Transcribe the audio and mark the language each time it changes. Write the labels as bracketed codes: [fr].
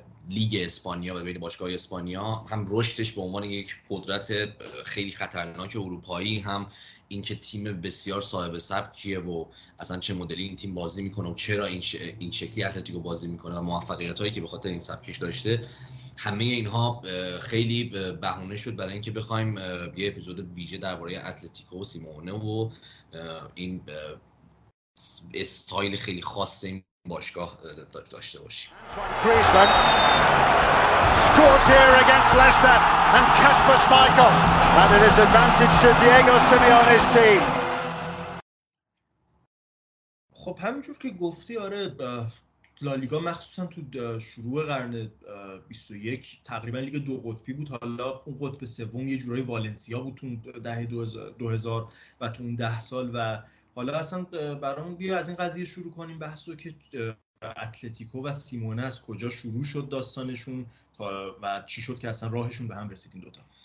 [fa] لیگ اسپانیا و بین باشگاه اسپانیا، هم رشدش به عنوان یک قدرت خیلی خطرناک اروپایی، هم اینکه تیم بسیار صاحب سبکیه و اصلا چه مدلی این تیم بازی میکنه و چرا این شکلی اتلتیکو بازی میکنه و موفقیت هایی که به خاطر این سبکش داشته، همه اینها خیلی بهونه شد برای اینکه بخوایم یه اپیزود ویژه درباره اتلتیکو و سیمونه و این استایل خیلی خاصه باشگاه داشته باشیم. [en] Scores here against Leicester and Kasper Schmeichel, and it is advantage to Diego Simeone's team. [fa] خب همینجور که گفتی، آره لالیگا مخصوصا تو شروع قرن 21 تقریبا لیگ دو قطبی بود. حالا اون قطب سوم یه جورای والنسیا بود تو دهه 2000 و تو اون 10 سال. و حالا اصلا برامون بیا از این قضیه شروع کنیم بحثو که اتلتیکو و سیمونه از کجا شروع شد داستانشون و چی شد که اصلا راهشون به هم رسید این دوتا.